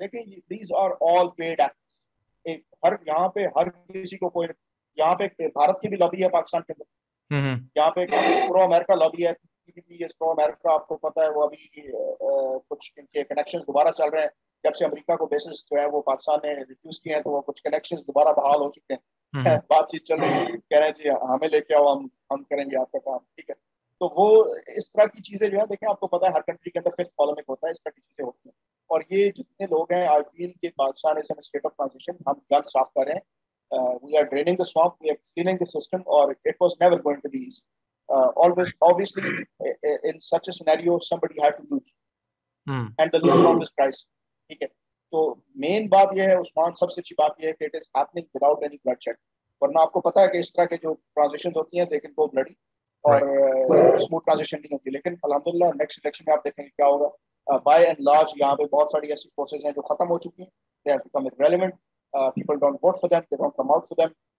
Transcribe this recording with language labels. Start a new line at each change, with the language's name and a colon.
Hindi: लेकिन
English: these are all paid act,
Hindi: हर यहाँ पे हर किसी को कोई, यहाँ पे भारत की भी लॉबी है पाकिस्तान के, यहाँ पे प्रो अमेरिका लॉबी है, अमेरिका आपको पता है वो अभी कुछ इनके कनेक्शंस दोबारा चल रहे हैं, जब से अमेरिका को बेसिस जो है वो पाकिस्तान ने रिफ्यूज किए हैं, तो वो कुछ कनेक्शंस दोबारा बहाल हो चुके हैं, बातचीत चल रही है, कह रहे हैं जी हमें लेके आओ, हम करेंगे आपका काम, ठीक है? तो वो इस तरह की चीजें जो है, देखें आपको पता है हर कंट्री के अंदर फिफ्थ कॉलम एक होता है, इस तरह की चीजें होती हैं, और ये जितने लोग हैं,
English: I feel
Hindi: कि
English: Pakistan is in state of transition,
Hindi: हम गल साफ कर रहे हैं,
English: we are draining the swamp, we are cleaning the system,
Hindi: और
English: It was never going to be easy. Always, obviously, in such a scenario, somebody had to lose, and the loser on this price.
Hindi: ठीक है, तो main बात ये है उस्मान, सबसे अच्छी बात ये है कि
English: it is happening without any bloodshed.
Hindi: वरना आपको पता है कि इस तरह के जो transitions होती हैं,
English: they can go bloody,
Hindi: और smooth transition नहीं होती. लेकिन अल्हम्दुलिल्लाह, next election में आप देखेंगे क्या होगा.
English: By and large,
Hindi: यहाँ पे बहुत सारी ऐसी forces हैं जो खत्म हो चुकी हैं.
English: They have become irrelevant. People don't vote for them. They don't come out for them.